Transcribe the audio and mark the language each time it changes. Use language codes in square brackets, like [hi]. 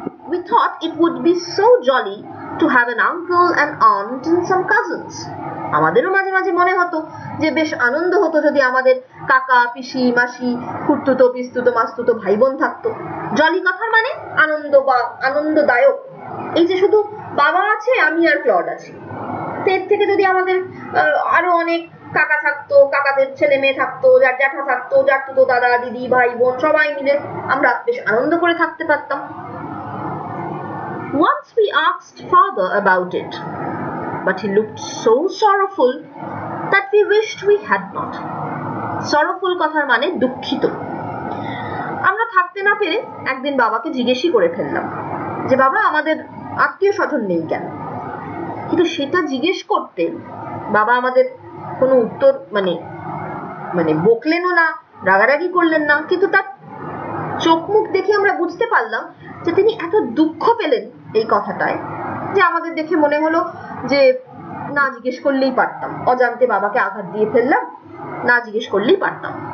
[en] We thought it would be so jolly to have an uncle and aunt and some cousins. [bn] আমাদেরও মাঝে মাঝে মনে হতো যে বেশ আনন্দ হতো যদি আমাদের কাকা পিসি মাসি খুড়তুতো পিস্তুতো মাস্তুতো ভাই বোন থাকতো। জলি কথার মানে আনন্দ বা আনন্দদায়ক, এই যে শুধু বাবা আছে আমি আর ক্লড আছি, এর থেকে যদি আমাদের আরো অনেক কাকা থাকতো, কাকাদের ছেলে মেয়ে থাকতো, যার জ্যাঠা থাকতো, যার তুতো দাদা দিদি ভাই বোন সবাই মিলে আমরা বেশ আনন্দ করে থাকতে পারতাম। [en] Once we asked father about it, but he looked so sorrowful that we wished we had not. [bn] Sorrowful কথার মানে দুঃখিত। আমরা থাকতে না পেরে একদিন বাবাকে জিজ্ঞেসই করে ফেললাম যে বাবা আমাদের আত্মীয় স্বজন নেই কেন? কিন্তু সেটা জিজ্ঞেস করতে বাবা আমাদের কোনো উত্তর মানে বকলেনও না, রাগারাগি করলেন না, কিন্তু তার চোখ মুখ দেখে আমরা বুঝতে পারলাম যে তিনি এত দুঃখ পেলেন এই কথাটায় যে আমাদের দেখে মনে হলো যে না জিজ্ঞেস করলেই পারতাম, অজান্তে বাবাকে আঘাত দিয়ে ফেললাম, না জিজ্ঞেস করলেই পারতাম।